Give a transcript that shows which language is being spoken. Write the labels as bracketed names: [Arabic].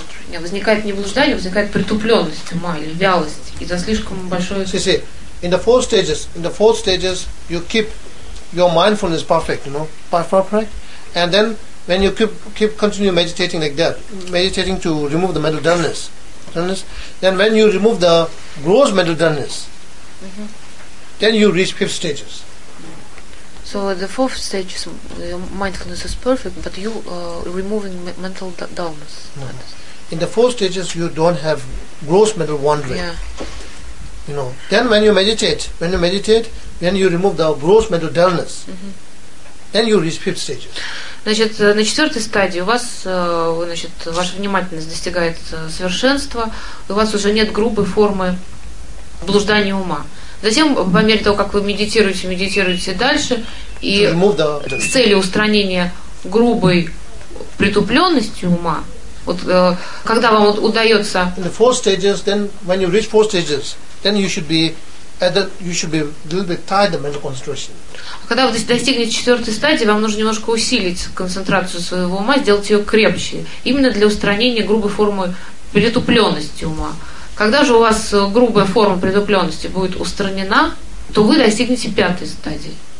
[Russian] Yeah, возникает не блуждание, возникает притупленность ума или вялость из-за слишком большой. [English] See, in the four stages, you keep your mindfulness perfect, you know, perfect, and then when you keep continue meditating like that, meditating to remove the mental dullness, then when you remove the gross mental dullness. Mm-hmm. Then you reach fifth stages. So the fourth stage is mindfulness is perfect, but you removing mental dullness. Mm-hmm. In the four stages, you don't have gross mental wandering. Yeah. You know. Then when you meditate, then you remove the gross mental dullness. Mm-hmm. Then you reach fifth stages. [Russian] Значит, на четвертой стадии у вас, значит, ваша внимательность достигает совершенства, у вас уже нет грубой формы блуждания ума. Затем, по мере того, как вы медитируете дальше, и с целью устранения грубой притупленности ума, вот когда вам удается. [English] In the four stages, then when you reach four stages, then you should be a little bit tired of mental concentration. [Russian] Когда вы достигнете четвертой стадии, вам нужно немножко усилить концентрацию своего ума, сделать ее крепче, именно для устранения грубой формы притупленности ума. Когда же у вас грубая форма притупленности будет устранена, то вы достигнете пятой стадии.